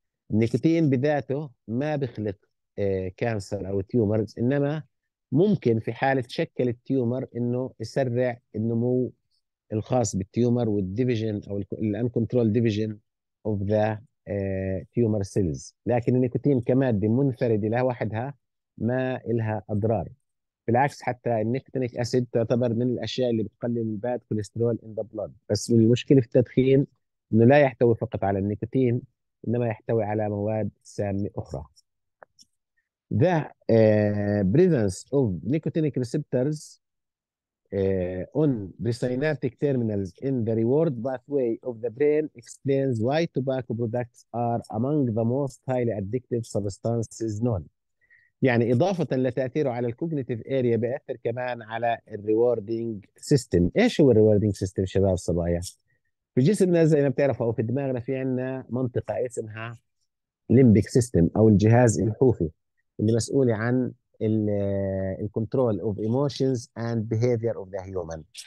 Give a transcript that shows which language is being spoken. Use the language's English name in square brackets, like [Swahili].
[Arabic] النيكوتين بذاته ما بخلق كانسر او تيومرز، انما ممكن في حاله تشكل التيومر انه يسرع النمو الخاص بالتيومر والديفيجن او الان كنترول [English] division of the tumour cells, [Arabic] لكن النيكوتين كمادة منفردة لها وحدها ما لها أضرار. بالعكس، حتى النيكوتينيك أسيد تعتبر من الأشياء اللي بتقلل الباد كوليسترول [English] In the blood. [Arabic] بس المشكلة في التدخين إنه لا يحتوي فقط على النيكوتين، إنما يحتوي على مواد سامة أخرى. [English] The presence of nicotinic receptors on the synaptic terminals in the reward pathway of the brain explains why tobacco products are among the most highly addictive substances known. [Arabic] يعني إضافة لتأثيره على الكوجنيتيف أريا، بيأثر كمان على الريوردينج سيستم. إيش هو الريوردينج سيستم شباب صبايا؟ في جسمنا زي ما بتعرف أو في دماغنا في عندنا منطقة اسمها limbic system أو الجهاز الحوفي، اللي مسؤول عن [English] الكنترول of emotions and behaviour of the human.